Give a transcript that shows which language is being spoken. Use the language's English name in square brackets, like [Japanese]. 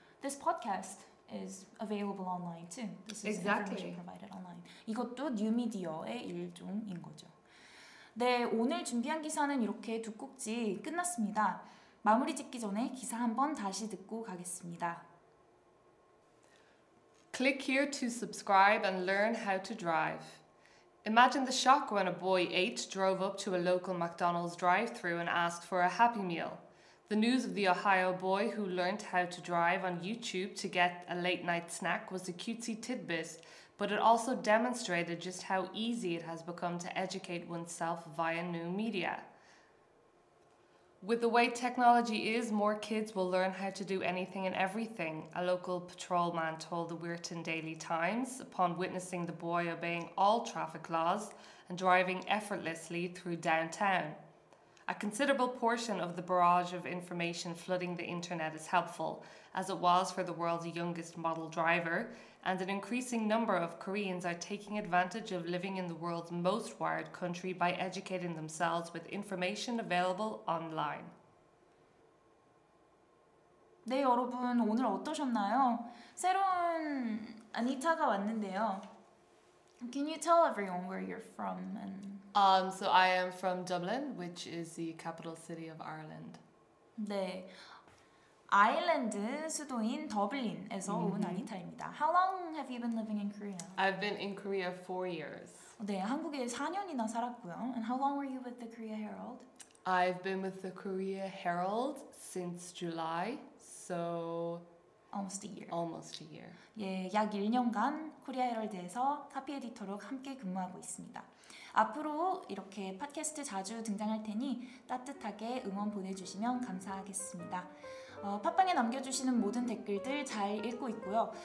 [English] This podcast is available online too. This is exactly. Information provided online. [Korean] 이것도 뉴미디어의 일종인 거죠. 네, 오늘 준비한 기사는 이렇게 두 꼭지 끝났습니다. 마무리 짓기 전에 기사 한번 다시 듣고 가겠습니다. [English] Click here to subscribe and learn how to drive. Imagine the shock when a boy 8 drove up to a local McDonald's drive-thru and asked for a Happy Meal. The news of the Ohio boy who learned how to drive on YouTube to get a late-night snack was a cutesy tidbit, but it also demonstrated just how easy it has become to educate oneself via new media. With the way technology is, more kids will learn how to do anything and everything, a local patrolman told the Weirton Daily Times upon witnessing the boy obeying all traffic laws and driving effortlessly through downtown. A considerable portion of the barrage of information flooding the internet is helpful, as it was for the world's youngest model driver, and an increasing number of Koreans are taking advantage of living in the world's most wired country by educating themselves with information available online. [Korean] 네, 여러분, 오늘 어떠셨나요? 새로운 아니타가 왔는데요. [English] Can you tell everyone where you're from? And So I am from Dublin, which is the capital city of Ireland. [Korean] 네, 아일랜드 수도인 더블린에서 mm-hmm. 온 아니타입니다. [English] How long have you been living in Korea? I've been in Korea 4 years. [Korean] 네, 한국에 4년이나 살았고요. [English] And how long were you with the Korea Herald? I've been with the Korea Herald since July, so almost a year. Almost a year. [Korean] 예, 약 1년간 코리아 헤럴드에서 카피 에디터로 함께 근무하고 있습니다. 앞으로 이렇게 팟캐스트 자주 등장할 테니 따뜻하게 응원 보내주시면 감사하겠습니다. 팟빵에 남겨주시는 모든 댓글들 잘 읽고 있고요.